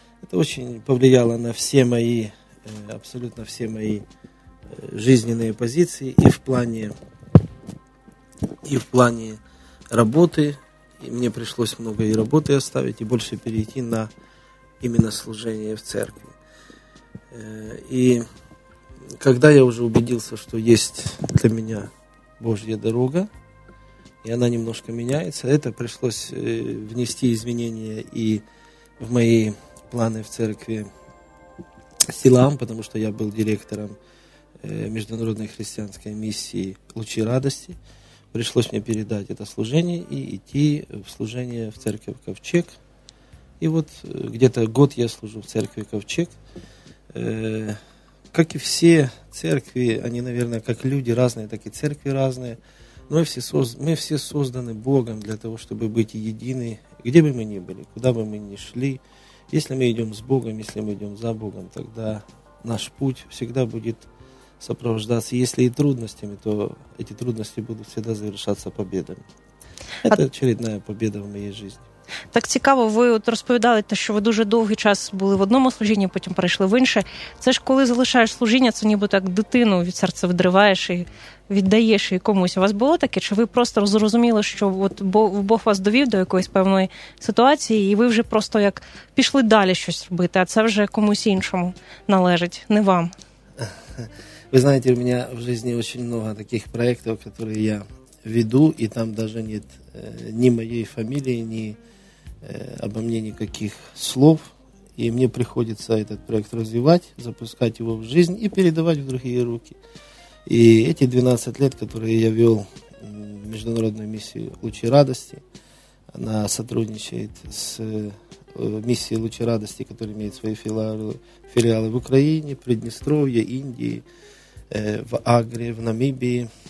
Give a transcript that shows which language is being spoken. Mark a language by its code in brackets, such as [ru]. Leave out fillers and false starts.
[uk] Це дуже повлияло на всі мої, абсолютно всі мої жизненні позиції і в плані роботи. І мені прийшлось много і роботи оставити, і більше перейти на іменно служення в церкві. І коли я вже убедився, що є для мене Божа дорога, [ru] и она немножко меняется. Это пришлось внести изменения и в мои планы в церкви Силам, потому что я был директором международной христианской миссии «Лучи радости». Пришлось мне передать это служение и идти в служение в церковь Ковчег. И вот где-то год я служу в церкви Ковчег. Как и все церкви, они, наверное, как люди разные, так и церкви разные. Мы все созданы Богом для того, чтобы быть едины, где бы мы ни были, куда бы мы ни шли. Если мы идем с Богом, если мы идем за Богом, тогда наш путь всегда будет сопровождаться, если и трудностями, то эти трудности будут всегда завершаться победами. Это очередная победа в моей жизни. [uk] Так цікаво, ви от розповідали те, що ви дуже довгий час були в одному служінні, потім перейшли в інше. Це ж коли залишаєш служіння, це ніби так дитину від серця відриваєш і віддаєш її комусь. У вас було таке? Чи ви просто зрозуміли, що от Бог вас довів до якоїсь певної ситуації, і ви вже просто як пішли далі щось робити, а це вже комусь іншому належить, не вам? Ви знаєте, у мене в житті дуже багато таких проєктів, які я веду, і там навіть нет ні моєї фамілії, ні [ru] обо мне никаких слов. И мне приходится этот проект развивать, запускать его в жизнь и передавать в другие руки. И эти 12 лет, которые я вел международную миссию «Лучи радости», она сотрудничает с миссией «Лучи радости», которая имеет свои филиалы в Украине, Приднестровье, Индии, в Агре, в Намибии.